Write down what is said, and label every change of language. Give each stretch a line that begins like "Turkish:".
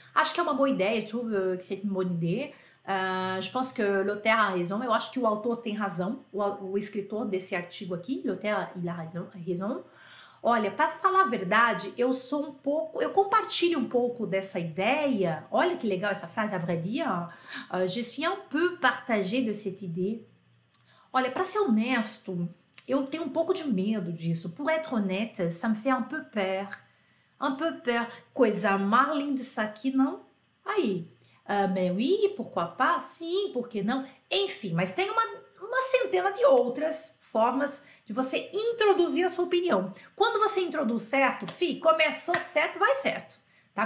Portuguese: Acho que é uma boa ideia,
French: tu que c'est une bonne idée. Je pense que l'auteur a raison,
Portuguese: eu acho que o autor tem razão, o escritor desse artigo aqui,
French: l'auteur, il a raison.
Portuguese: Olha, para falar a verdade, eu sou um pouco, eu compartilho um pouco dessa ideia. Olha que legal essa frase,
French: à vrai dire, je suis un peu partagé de cette idée.
Portuguese: Olha, para ser honesto, eu tenho um pouco de medo disso.
French: Pour être honnête, ça me fait un peu peur. Un peu peur.
Portuguese: Coisa mais linda isso aqui, não? Aí.
French: Mais oui, pourquoi pas?
Portuguese: Sim, por que não? Enfim, mas tem uma centena de outras formas de você introduzir a sua opinião. Quando você introduz certo, fi, começou certo, vai certo. Tá?